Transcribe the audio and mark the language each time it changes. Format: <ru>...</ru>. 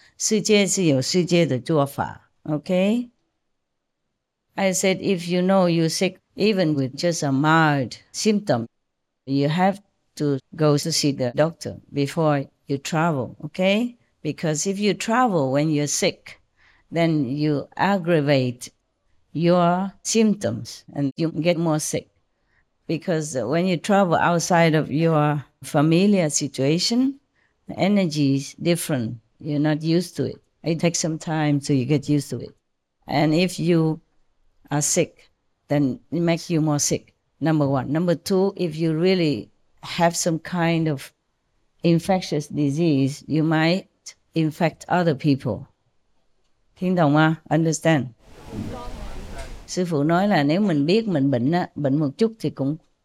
<zh>师父会替你们那怎么呼啦呼啦呼啦，不能这样，就病好，不是这样，不能这样有那种概念啊。世界是有世界的做法， OK?</zh> <en>I said if you know you're sick, even with just a mild symptom, you have to go to see the doctor before you travel, OK? Because if you travel when you're sick, then you aggravate your symptoms and you get more sick. Because when you travel outside of your familiar situation, the energy is different. You're not used to it. It takes some time till you get used to it. And if you are sick, then it makes you more sick, number one. Number two, if you really have some kind of infectious disease, you might infect other people.</en> <zh>听懂吗?</zh> <en>Understand?</en> <zh>师父说, 如果我们知道, 我们病了, 病了一点, 就更...</zh>